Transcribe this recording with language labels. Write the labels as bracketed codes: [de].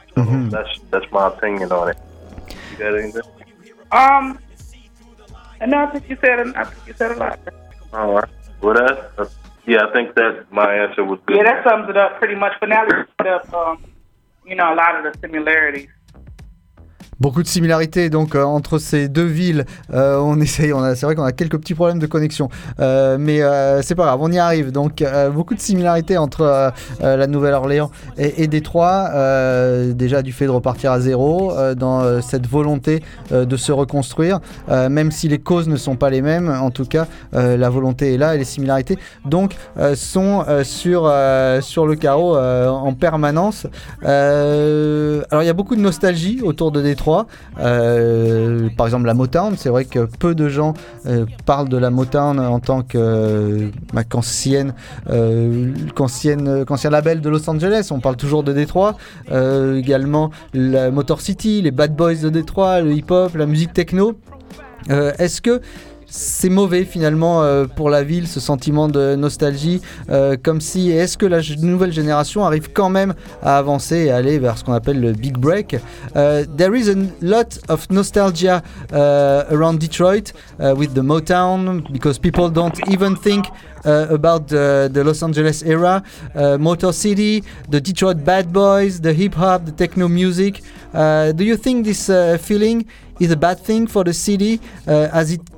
[en] So mm-hmm. that's my opinion on it. You got anything? I think you said a lot. All right. Well, that's yeah, I think that my answer was good. Yeah, that sums it up pretty much. But now it's put up, you know, a lot of the similarities. [fr] Beaucoup de similarités donc entre ces deux villes. C'est vrai qu'on a quelques petits problèmes de connexion, mais c'est pas grave, on y arrive. Donc beaucoup de similarités entre la Nouvelle-Orléans et Détroit, déjà du fait de repartir à zéro, dans cette volonté de se reconstruire, même si les causes ne sont pas les mêmes. En tout cas, la volonté est là et les similarités donc sont sur le carreau en permanence. Alors il y a beaucoup de nostalgie autour de Détroit. Par exemple la Motown, c'est vrai que peu de gens parlent de la Motown en tant que qu'ancien label de Los Angeles. On parle toujours de Détroit, également la Motor City, les Bad Boys de Détroit, le hip hop, la musique techno. Est-ce que c'est mauvais finalement pour la ville, ce sentiment de nostalgie, comme si, est-ce que la nouvelle génération arrive quand même à avancer et aller vers ce qu'on appelle le big break? [en] There is a lot of nostalgia around Detroit with the Motown, because people don't even think about the Los Angeles era, Motor City, the Detroit Bad Boys, the hip hop, the techno music. Do you think this feeling is a bad thing for the city, as it